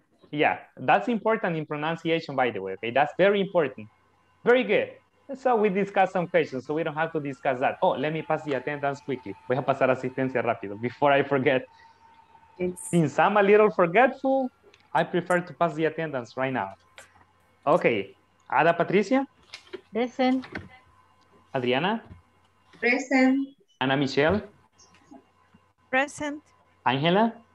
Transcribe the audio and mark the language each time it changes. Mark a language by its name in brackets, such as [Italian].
[English] Yeah, that's important in pronunciation, by the way. Okay, that's very important. Very good. So we discussed some questions, so we don't have to discuss that. Oh, let me pass the attendance quickly. [Spanish] Voy a pasar asistencia rápido [English] before I forget. Yes. Since I'm a little forgetful, I prefer to pass the attendance right now. Okay. Ada Patricia? Present. Adriana? Present. Ana Michelle? Present. Angela?